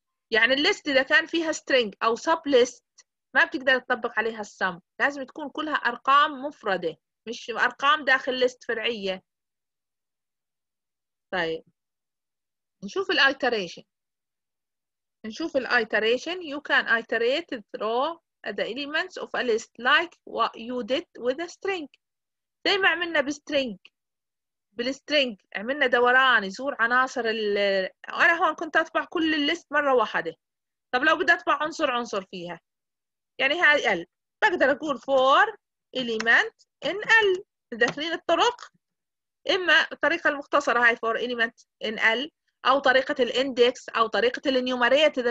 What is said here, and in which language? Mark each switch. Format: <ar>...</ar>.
<ar>يعني الليست اذا كان فيها string او سب ليست ما بتقدر تطبق عليها السم، لازم تكون كلها أرقام مفردة مش أرقام داخل ليست فرعية. طيب نشوف الايتريشن، نشوف الايتريشن.</ar> <en>You can iterate through the elements of a list like what you did with a string.</en> <ar>زي ما عملنا بالسترينج، بالسترينج عملنا دوران يزور عناصر ال، أنا هون كنت أطبع كل الليست مرة واحدة. طب لو بدي أطبع عنصر عنصر فيها، يعني هاي L بقدر أقول for element in L، داخلين الطرق إما الطريقة المختصرة هاي for element in L أو طريقة الإندكس أو طريقة النيوماريت.</ar>